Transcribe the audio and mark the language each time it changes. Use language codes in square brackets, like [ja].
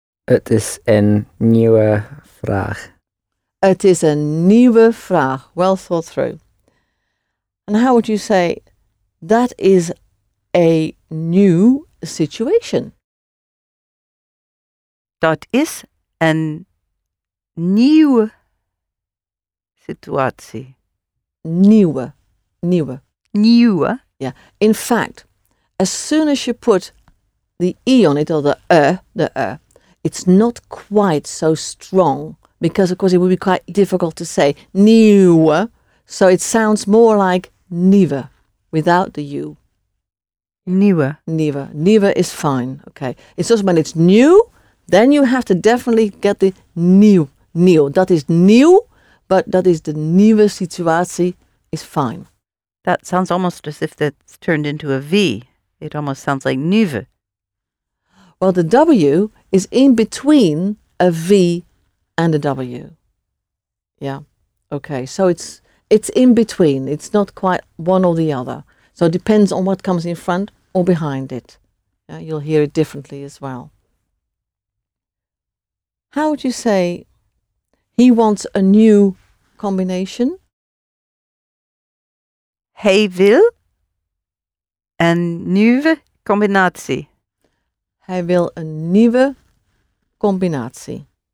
[nl] Het is een nieuwe vraag. Het is een nieuwe vraag. [en] Well thought through. And how would you say that is a new situation? [nl] Dat is een nieuwe situatie. Nieuwe. Yeah. [en] In fact, as soon as you put the E on it, or the it's not quite so strong, because of course it would be quite difficult to say nieuwe, so it sounds more like nieuwe without the U. [nl] Nieuwe. [en] Nieuwe is fine, okay. It's just when it's new, then you have to definitely get the nieuw. That is nieuw, but that is the [nl] nieuwe situatie [en] is fine. That sounds almost as if that's turned into a V. It almost sounds like nieuwe. Well, the W is in between a V and a W. Yeah. Okay, so it's in between. It's not quite one or the other. So it depends on what comes in front or behind it. Yeah, you'll hear it differently as well. How would you say he wants a new combination? [nl] Hij wil een nieuwe combinatie. Hij wil een nieuwe combinatie.